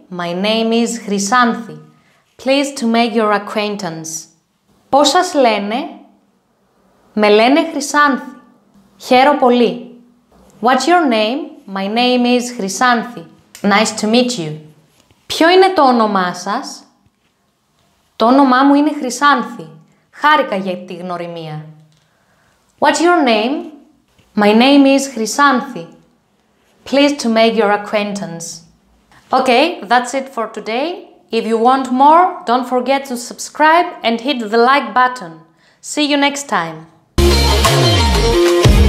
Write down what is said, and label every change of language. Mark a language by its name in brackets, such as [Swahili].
[English] My name is Χρυσάνθη. Pleased to make your acquaintance. [Greek] Πώς σας λένε? Με λένε Χρυσάνθη. Χαίρο πολύ. [English] What's your name? My name is Χρυσάνθη. Nice to meet you. [Greek] Ποιο είναι το όνομά σας? Το όνομά μου είναι Χρυσάνθη. Χάρηκα για τη γνωριμία. [English] What's your name? My name is Χρυσάνθη. Pleased to make your acquaintance. Okay, that's it for today. If you want more, don't forget to subscribe and hit the like button. See you next time.